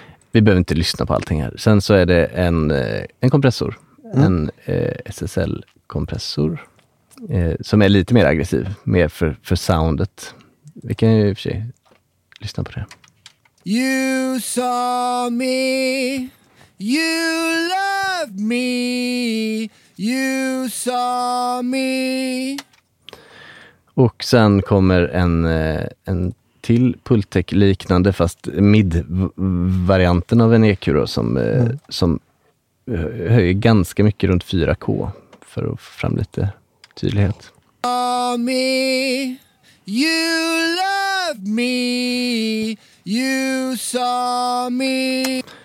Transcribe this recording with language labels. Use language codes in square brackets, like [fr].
[sv] Vi behöver inte lyssna på allting här. Sen så är det en kompressor. Mm. En SSL-kompressor som är lite mer aggressiv, mer för soundet. Vi kan ju i och för sig lyssna på det. [en] You saw me, you love me, you saw me. [sv] Och sen kommer en till Pultec-liknande, fast mid-varianten av en EQ då, som höjer ganska mycket runt 4K för att få fram lite tydlighet. [en] Me, you love me, you saw me.